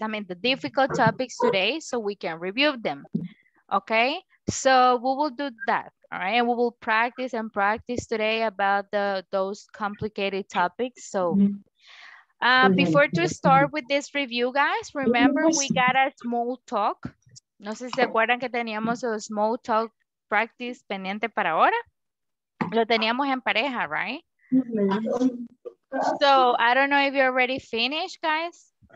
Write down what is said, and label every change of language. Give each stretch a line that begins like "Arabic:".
English: I mean, the difficult topics today so we can review them, okay? So we will do that, all right? And we will practice and practice today about the those complicated topics. So before to start with this review, guys, remember we got a small talk.
Spanish: No sé si se acuerdan que teníamos
English: a small talk practice
Spanish: pendiente para ahora. Lo teníamos en pareja,
English: right? So I don't know if you're already finished, guys.